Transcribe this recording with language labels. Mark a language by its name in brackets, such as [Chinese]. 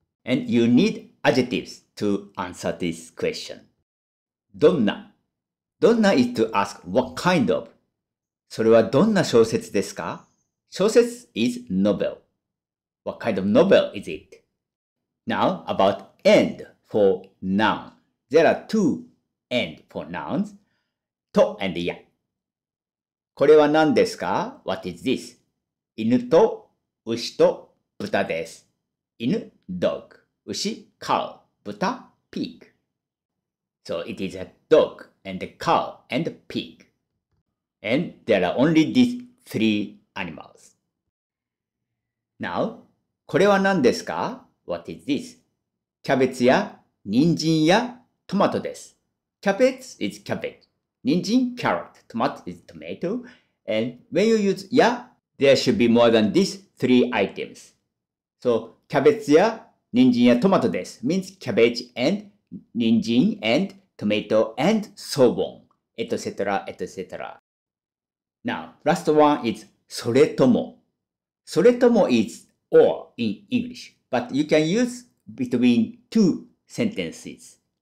[English] And you need adjectives to answer this question. どんな。どんな is to ask what kind of. [Japanese] それはどんな小説ですか? [English] 小説 is novel. What kind of novel is it? Now, about end for noun. There are two end for nouns. と and や。 [Japanese] これは何ですか? [English] What is this? [Japanese] 犬と牛と豚です。 [English] 犬 dog. 牛 cow. 豚 pig. So it is a dog and a cow and a pig. And there are only these three animals. Now, [Japanese] これは何ですか? [English] What is this? [Japanese] キャベツや人参やトマトです。 [English] キャベツ is cabbage. 人参 carrot. Tomato is tomato. And when you use や, there should be more than these three items. [Japanese] So, キャベツや人参やトマトです。 [English] Means cabbage and 人参 and tomato and so on. etc. etc. Now, last one is それとも。それとも is or in English, but you can use between two sentences.